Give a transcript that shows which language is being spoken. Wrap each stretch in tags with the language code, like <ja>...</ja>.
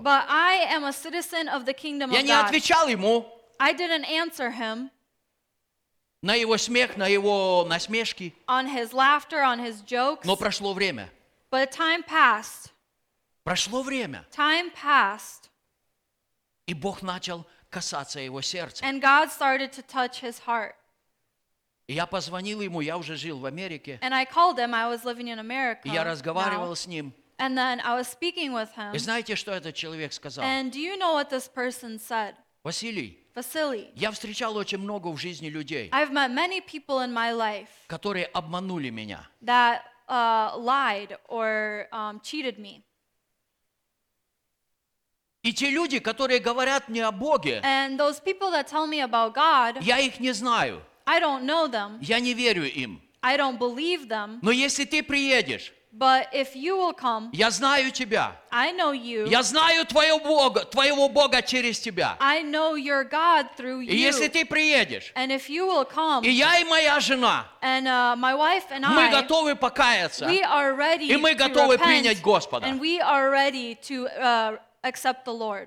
<en>But I am a citizen of the kingdom</en> <ru>я</ru> <en>of God.</en> <ru>Я не отвечал ему.</ru> <en>I didn't answer him.</en> <ru>На его смех, на его насмешки.</ru> <en>On his laughter, on his jokes.</en> <ru>Но прошло время.</ru> <en>But time passed.</en> <ru>Прошло время.</ru> <en>Time passed.</en> <ru>И Бог начал касаться его сердца.</ru> <en>And God started to touch his heart.</en> <ru>И я позвонил ему, я уже жил в Америке.</ru> <en>And I called him, I was living in America.</en> <ru>И я разговаривал</ru> <en>now.</en> <ru>С ним.</ru> <en>And then I was speaking with him.</en> <ru>И знаете, что этот человек сказал?</ru> <en>And do you know what this person said?</en> <ru>Василий.</ru> <en>Vasily,</en> <ru>я встречал очень много в жизни людей,</ru> <en>I've met many people in my life,</en> <ru>которые обманули меня,</ru> <en>that lied or cheated me.</en> <ru>И те люди, которые говорят мне о Боге,</ru> <en>and those people that tell me about God,</en> <ru>я их не знаю,</ru> <en>I don't know them,</en> <ru>я не верю им,</ru> <en>I don't believe them.</en> <ru>Но если ты приедешь,</ru> <en>but if you will come,</en> <ru>я знаю тебя.</ru> <en>I know you.</en> <ru>Я знаю твоего Бога через тебя.</ru> <en>I know your God through you.</en> <ru>И если ты приедешь,</ru> <en>and if you will come,</en> <ru>и я и моя жена,</ru> <en>and my wife and I,</en> <ru>мы готовы покаяться,</ru> <en>we are ready,</en> <ru>и мы готовы</ru> <en>to repent,</en> <ru>принять Господа,</ru> <en>and we are ready to accept the Lord.</en>